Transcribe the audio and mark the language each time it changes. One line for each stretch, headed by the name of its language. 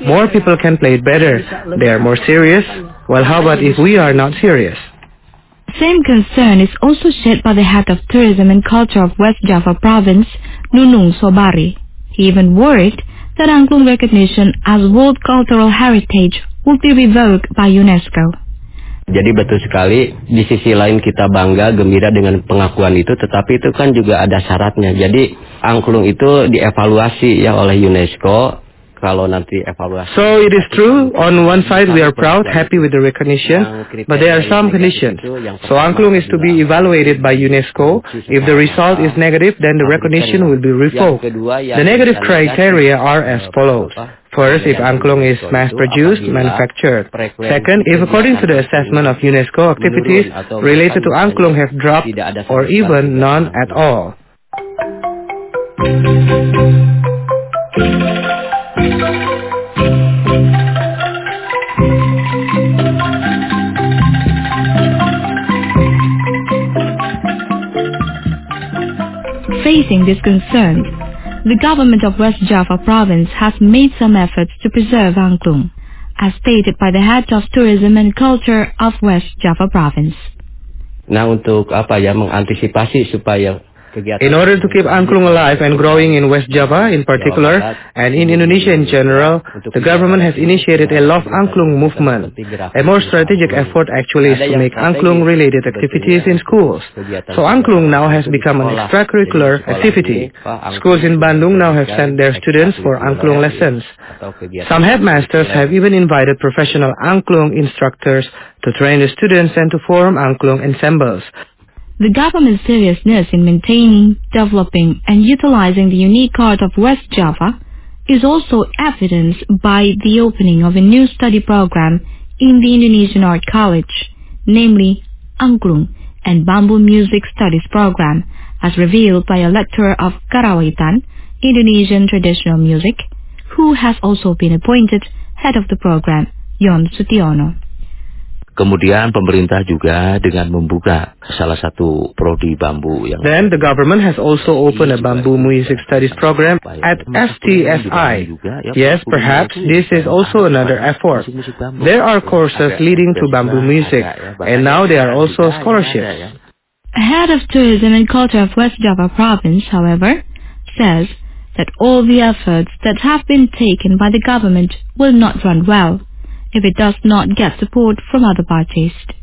English: More people can play it better. They are more serious. Well, how about if we are not serious? Same concern is also shared by the head of tourism and culture of West Java province, Nunung Sobari. He even worried that Angklung recognition as world cultural heritage will be revoked by UNESCO.
Indonesian: Jadi betul sekali, di sisi lain kita bangga, gembira dengan pengakuan itu, tetapi itu kan juga ada syaratnya. Jadi Angklung itu dievaluasi ya oleh UNESCO, kalau nanti evaluasi.
English: So it is true, on one side we are proud, happy with the recognition, but there are some conditions. So Angklung is to be evaluated by UNESCO. If the result is negative, then the recognition will be revoked. The negative criteria are as follows. First, if Angklung is mass-produced, manufactured. Second, if according to the assessment of UNESCO, activities related to Angklung have dropped or even none at all. Facing this concern, the government of West Java province has made some efforts to preserve Angklung, as stated by the head of tourism and culture of West Java province.
Indonesian: Nah, untuk apa ya, mengantisipasi supaya...
English: In order to keep Angklung alive and growing in West Java in particular, and in Indonesia in general, the government has initiated a Love Angklung movement. A more strategic effort actually is to make Angklung-related activities in schools. So Angklung now has become an extracurricular activity. Schools in Bandung now have sent their students for Angklung lessons. Some headmasters have even invited professional Angklung instructors to train the students and to form Angklung ensembles. The government's seriousness in maintaining, developing, and utilizing the unique art of West Java is also evidenced by the opening of a new study program in the Indonesian Art College, namely Angklung and Bamboo Music Studies Program, as revealed by a lecturer of Karawitan, Indonesian traditional music, who has also been appointed head of the program, Yon Sutiono.
Indonesian: Kemudian pemerintah juga dengan membuka salah satu prodi bambu yang...
English: Then the government has also opened a bamboo music studies program at STSI. Yes, perhaps this is also another effort. There are courses leading to bamboo music, and now there are also scholarships. Head of Tourism and Culture of West Java Province, however, says that all the efforts that have been taken by the government will not run well if it does not get support from other parties.